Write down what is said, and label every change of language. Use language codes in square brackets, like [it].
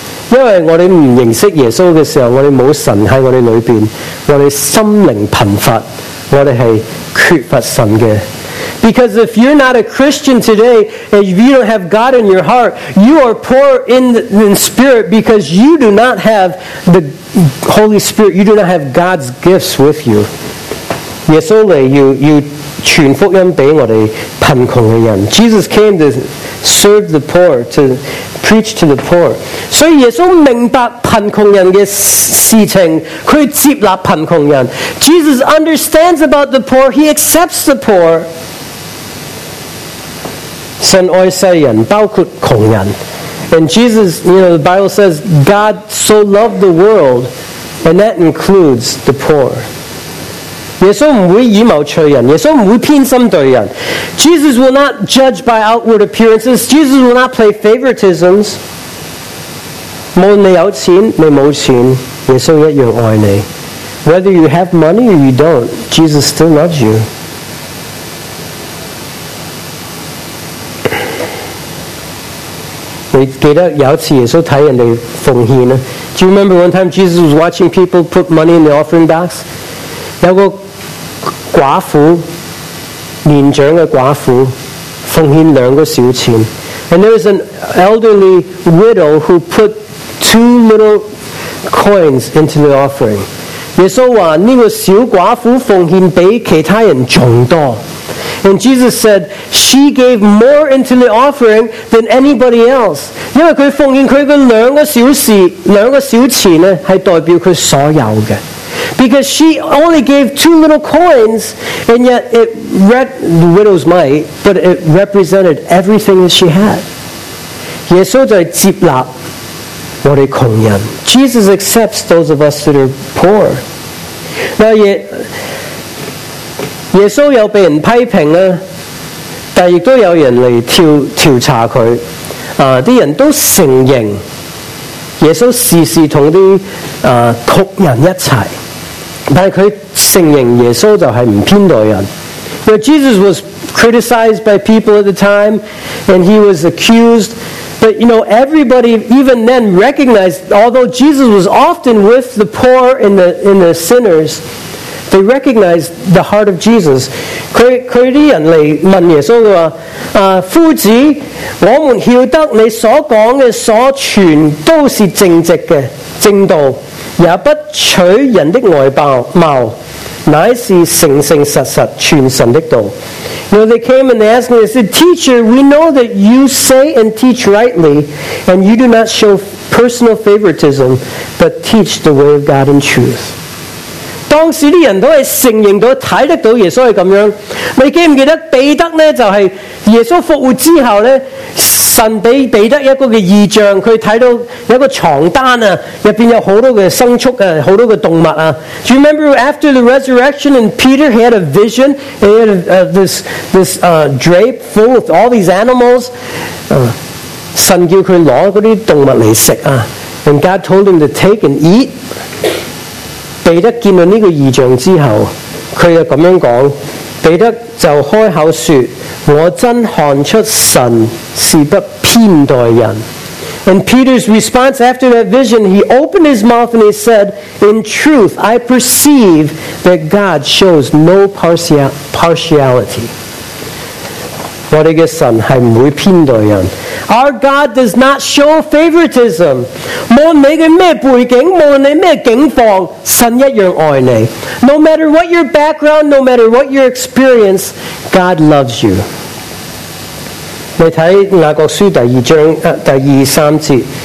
[zh] 因为我们不认识耶稣的时候，我们没有神在我们里面，我们心灵贫乏，我们是缺乏神的。 [en] Because if you're not a Christian today, if you don't have God in your heart, you are poor in spirit because you do not have the Holy Spirit, you do not have God's gifts with you. [zh] 耶稣来，you传福音给我们贫穷的人。 [en] Jesus came to serve the poor, to preach to the poor. [zh] 所以耶稣明白贫穷人的事情，他接纳贫穷人。 [en] Jesus understands about the poor, he accepts the poor. [zh] 神爱世人，包括穷人。 [en] And Jesus, you know, the Bible says, God so loved the world, and that includes the poor. [zh] 耶稣不会以貌取人，耶稣不会偏心对人。 [en] Jesus will not judge by outward appearances. Jesus will not play favoritisms. [zh] 无论你有钱你没钱，耶稣一样爱你。 [en] Whether you have money or you don't, Jesus still loves you. [zh] 你记得有一次耶稣看人家奉献？ [en] Do you remember one time Jesus was watching people put money in the offering box? [zh] 有个寡妇，年长的寡妇奉献两个小钱。 [en] And there was an elderly widow who put two little coins into the offering. [zh] 耶稣说这个小寡妇奉献比其他人更多。 [en] And Jesus said, she gave more into the offering than anybody else. [zh] 因为她奉献她的两个小钱是代表她所有的。 [en] Because she only gave two little coins, and yet the widow's mite, but it represented everything that she had. [zh] 耶稣在接纳我们穷人。 [en] Jesus accepts those of us that are poor. [zh] Now, 耶稣有被人批评，但也有人来调查他。人都承认耶稣时时跟穷人一起。但是他承认耶稣就是不偏待人。 [en] Now, Jesus was criticized by people at the time, and he was accused, but you know, everybody even then recognized, although Jesus was often with the poor and the sinners, they recognized the heart of Jesus. [zh] 他的人来问耶稣说，夫子，我们晓得你所讲的所传都是正直的正道，也不取人的外貌，乃是诚诚实实传神的道。 [en] Now they came and they asked me, they said, Teacher, we know that you say and teach rightly, and you do not show personal favoritism, but teach the way of God in truth. [zh] 当时的人都是承认到，看得到耶稣是这样。你记不记得彼得呢，就是耶稣复活之后呢，神给彼得一个异象，他看到一个床单里面有很多的牲畜，很多的动物。 [en] Do you remember after the resurrection and Peter, he had a vision, he had this drape full with all these animals. [zh] 神叫他拿那些动物来吃。 [en] And God told him to take and eat. [zh] 彼得见到这个异象之后，他就这样说，彼得就开口说，我真看出神是不偏待人。 [en] And Peter's response after that vision, he opened his mouth and he said, In truth, I perceive that God shows no partiality. [zh] 我们的神是不会偏待人。 [en] Our God does not show favoritism. [zh] 无论你的什么背景，无论你什么境况，神一样爱你。 [en] No matter what your background, no matter what your experience, God loves you. [zh] 你看雅各书第二章第二三节。